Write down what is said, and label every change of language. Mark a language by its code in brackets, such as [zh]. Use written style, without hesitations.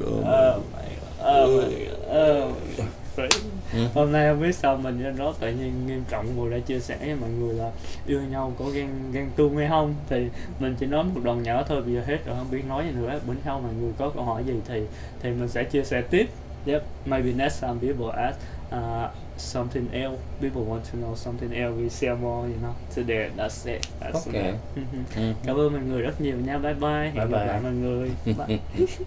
[en] Oh my god. [vi] Hôm nay không biết sao mình nên nói, tự nhiên nghiêm trọng vừa đã chia sẻ với mọi người là yêu nhau có ghen tuông hay không, thì mình chỉ nói một đoạn nhỏ thôi, bây giờ hết rồi không biết nói gì nữa. Bữa sau mọi người có câu hỏi gì thì mình sẽ chia sẻ tiếp. [en] Yep, maybe next time people ask something else, people want to know something else, we share more, you know, today, that's it. That's okay. [vi] Cảm ơn mọi người rất nhiều nha, bye bye. [en] Bye bye. [vi] Hẹn gặp lại mọi người. Bye.